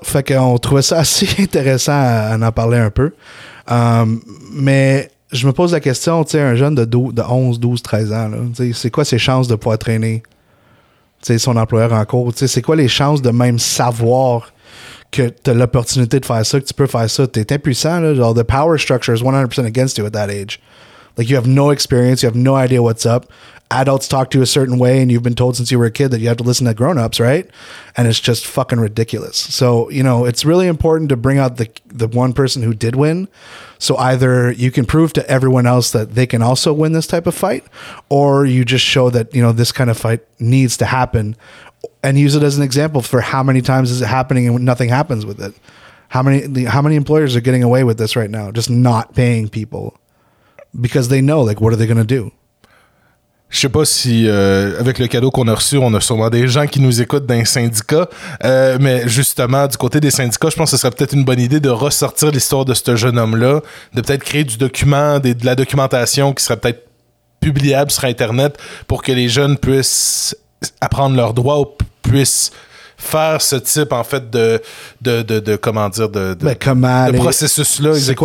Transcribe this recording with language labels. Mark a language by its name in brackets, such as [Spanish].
[French] Fait qu'on trouvait ça assez intéressant à en parler un peu. Mais je me pose la question, tu sais, un jeune de 11, 12, 13 ans, là, c'est quoi ses chances de pouvoir traîner son employeur en cours? C'est quoi les chances de même savoir que t'as l'opportunité de faire ça, que tu peux faire ça, t'es impuissant, là. [English] Genre, the power structure is 100% against you at that age. Like, you have no experience, you have no idea what's up. Adults talk to you a certain way, and you've been told since you were a kid that you have to listen to grown-ups, right? And it's just fucking ridiculous. So, you know, it's really important to bring out the one person who did win. So either you can prove to everyone else that they can also win this type of fight, or you just show that, you know, this kind of fight needs to happen, and use it as an example for how many times is it happening and nothing happens with it. How many employers are getting away with this right now, just not paying people? Because they know, like, what are they going to do? [French] Je sais pas si, avec le cadeau qu'on a reçu, on a sûrement des gens qui nous écoutent d'un syndicat, mais justement, du côté des syndicats, je pense que ce serait peut-être une bonne idée de ressortir l'histoire de ce jeune homme-là, de peut-être créer du document, de la documentation qui serait peut-être publiable sur Internet pour que les jeunes puissent apprendre leurs droits ou puissent faire ce type, en fait, de comment dire, de processus-là.